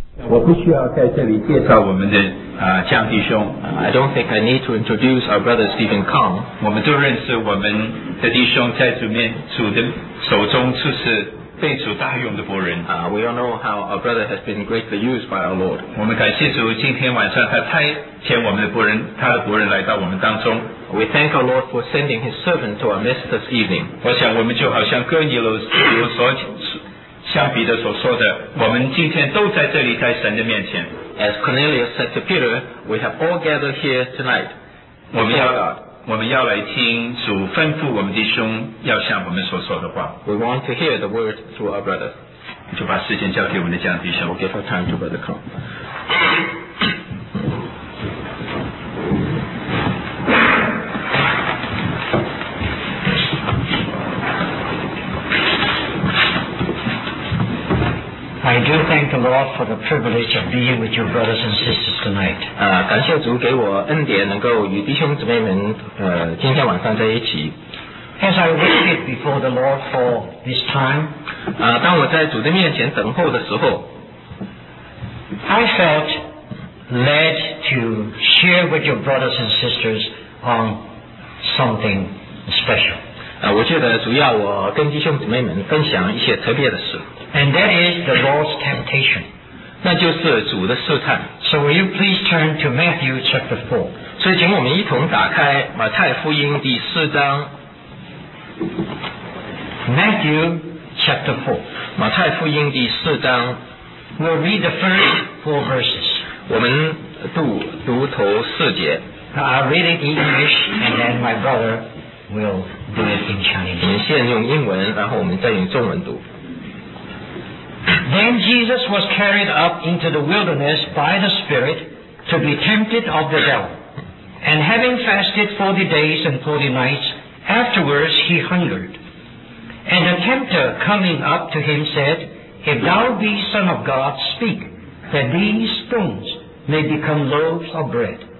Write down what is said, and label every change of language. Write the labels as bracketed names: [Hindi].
[Chinese] 我不需要在这里介绍我们的江弟兄。 [English] I don't think I need to introduce our brother Stephen Kong. [Chinese] 我们都认识我们的弟兄在主的手中处事被主大用的仆人。 [English] We all know how our brother has been greatly used by our Lord. [Chinese] 我们感谢主，今天晚上他差遣我们的仆人，他的仆人来到我们当中。 [English] We thank our Lord for sending His servant to our midst this evening. [Chinese] 我想我们就好像哥尼流所像彼得所说的，我们今天都在这里，在神的面前。 [English] As Cornelius said to Peter, we have all gathered here tonight. [Chinese] 我们要来听主吩咐我们弟兄要向我们所说的话。 [English] We want to hear the word through our brother. [Chinese] 就把时间交给我们的江弟兄。 [English] We'll give our time to Brother Kong. I do thank the Lord for the privilege of being with you brothers and sisters tonight. [Chinese] 感谢主给我恩典能够与弟兄姊妹们今天晚上在一起。 [English] As I waited before the Lord for this time, [Chinese] 当我在主的面前等候的时候， [English] I felt led to share with your brothers and sisters on something special. [Chinese] 我觉得主要我跟弟兄姊妹们分享一些特别的事。 [English] And that is the Lord's temptation. [Chinese] 那就是主的试探。 [English] So will you please turn to Matthew chapter 4. [Chinese] 所以请我们一同打开马太福音第四章。 [English] Matthew chapter 4. [Chinese] 马太福音第四章。 [English] We'll read the first four verses. [Chinese] 我们读头四节。 [English] I'll read it in English and then my brother will do it in Chinese. [Chinese] 我们先用英文，然后我们再用中文读。 [English] Then Jesus was carried up into the wilderness by the Spirit to be tempted of the devil. And having fasted 40 days and 40 nights, afterwards he hungered. And the tempter coming up to him said, If thou be Son of God, speak, that these stones may become loaves of bread.